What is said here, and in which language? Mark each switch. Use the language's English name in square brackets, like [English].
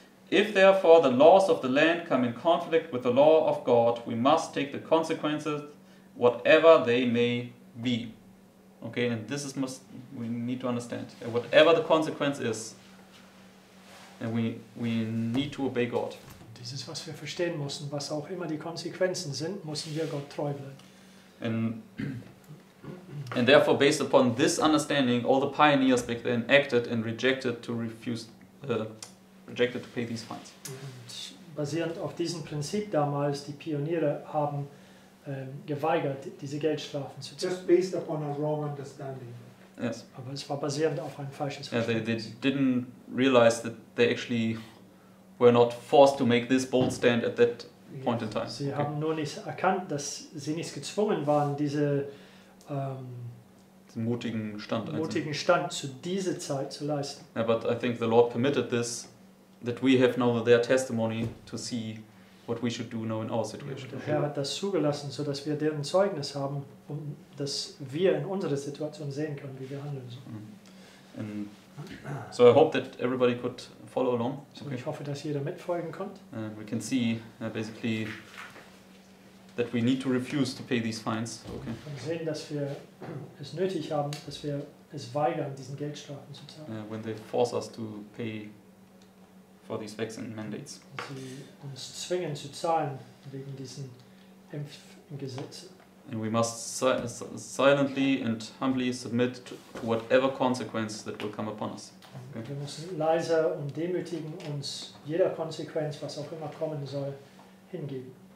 [English] If therefore the laws of the land come in conflict with the law of God, we must take the consequences, whatever they may be. Okay, and this is must we need to understand. Whatever the consequence is, and we need to obey God. [German] Das ist, was wir verstehen müssen. Was auch immer die Konsequenzen sind, müssen wir Gott treu bleiben. [English] And therefore, based upon this understanding, all the pioneers back then acted and rejected to pay these fines. [German] Und basierend auf diesem Prinzip damals, die Pioniere haben geweigert, diese Geldstrafen zu zahlen. [English] Just based upon a wrong understanding. Yes. [German] Aber es war basierend auf ein falsches Verständnis. [English] Yeah, they didn't realize that they actually were not forced to make this bold stand at that point in time. [German] Sie haben nur nicht erkannt, dass sie nicht gezwungen waren, diese mutigen Stand zu dieser Zeit zu leisten. [English] Yeah, but I think the Lord permitted this, that we have now their testimony to see what we should do now in our situation. [German] Der Herr hat das zugelassen, so dass wir deren Zeugnis haben, um dass wir in unserer Situation sehen können, wie wir handeln sollen. [English] And so I hope that everybody could follow along. [German] Okay. Ich hoffe, dass jeder mitfolgen konnte. [English] And we can see basically that we need to refuse to pay these fines. Okay. [German] Wir sehen, dass wir es nötig haben, dass wir es weigern, diesen Geldstrafen zu zahlen. [English] When they force us to pay for these vaccine mandates. [German] Sie uns zwingen zu zahlen wegen diesen Impfgesetzen. [English] And we must silently and humbly submit to whatever consequence that will come upon us. Okay. [German] Wir müssen leise und demütigen uns jeder Konsequenz, was auch immer kommen soll, hingeben.